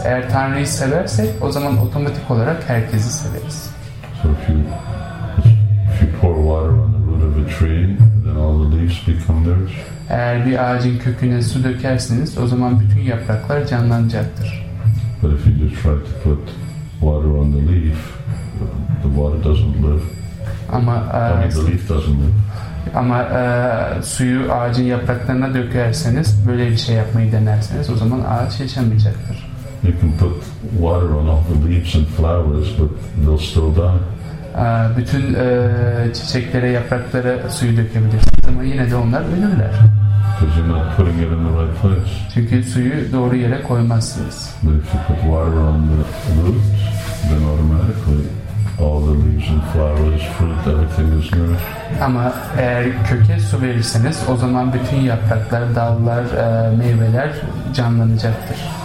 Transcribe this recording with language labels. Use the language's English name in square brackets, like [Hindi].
[Turkish] Eğer Tanrı'yı seversek, o zaman otomatik olarak herkesi severiz. [English] So if you pour water on the root of a tree, then all the leaves become theirs. [Turkish] Eğer bir ağacın köküne su dökerseniz, o zaman bütün yapraklar canlanacaktır. [English] But if you just try to put water on the leaf, the water doesn't live. [Turkish] Ama [English] the leaf doesn't live. [Turkish] Ama suyu ağacın yapraklarına dökerseniz, böyle bir şey yapmayı denerseniz, o zaman ağaç yaşamayacaktır. [English] You can put water on all the leaves and flowers, but they'll still die. [Turkish] Bütün çiçeklere, yapraklara suyu dökebilirsiniz ama yine de onlar ölürler. [English] Because you're not putting it in the right place. [Turkish] Çünkü suyu doğru yere koymazsınız. [English] But if you put water on the roots, then automatically all the leaves and flowers, fruit, everything is nourished. [Turkish] Ama eğer köke su verirseniz, o zaman bütün yapraklar, dallar, meyveler canlanacaktır.